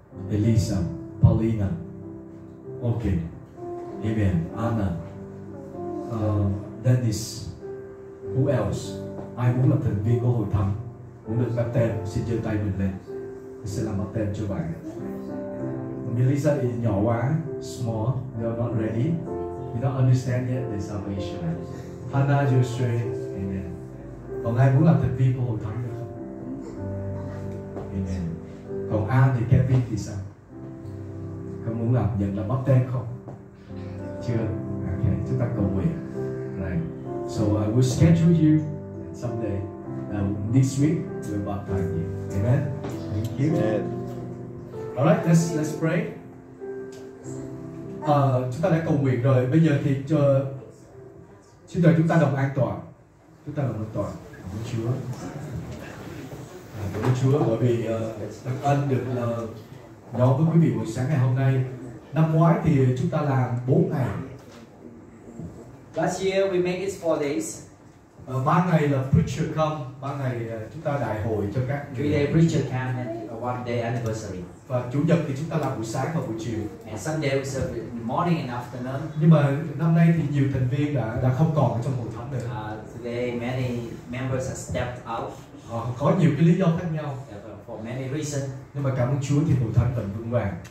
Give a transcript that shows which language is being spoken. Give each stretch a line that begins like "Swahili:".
English: Elisa, Paulina, OK, Amen, Anna, Dennis, who else?
Vietnamese: Ai muốn là thành viên của hội thánh, muốn được báp têm, xin giơ tay mình lên. Tôi sẽ làm báp têm cho bạn.
English: Melissa
Vietnamese: thì nhỏ quá,
English: small, you're not ready. You don't understand yet the salvation. Hannah, you're straight. Amen.
Vietnamese: Còn ai muốn làm thành viên của hội thánh không? Amen. Còn An thì Kevin thì sao? Có muốn làm nhận là bắp tên không? Chưa. Okay, chúng ta cầu nguyện.
English: Right. So I will schedule you someday. This week we'll baptize you. Amen. Thank you. Amen. All right, let's pray.
Vietnamese: Chúng ta đã cầu nguyện rồi. Bây giờ thì cho xin mời chúng ta đồng an toàn. Chúng ta đồng an toàn. Cảm ơn Chúa. Cảm ơn Chúa bởi vì đặc ân được nói với quý vị buổi sáng ngày hôm nay. Năm ngoái thì chúng ta làm 4 ngày.
English: Last year we made it 4 days.
Vietnamese: 3 ngày là
English: preacher come,
Vietnamese: 3 ngày chúng ta đại hội cho các.
English: 3 day preacher come and 1 day anniversary.
Vietnamese: Và chủ nhật thì chúng ta làm buổi sáng và buổi chiều.
English: And Sunday we serve morning and afternoon.
Vietnamese: Nhưng mà năm nay thì nhiều thành viên đã không còn ở trong hội thánh nữa.
English: Today many members have stepped out.
Vietnamese: Có nhiều cái lý do khác nhau.
English: For many reasons.
Vietnamese: Nhưng mà cảm ơn Chúa thì hội thánh vẫn vững vàng.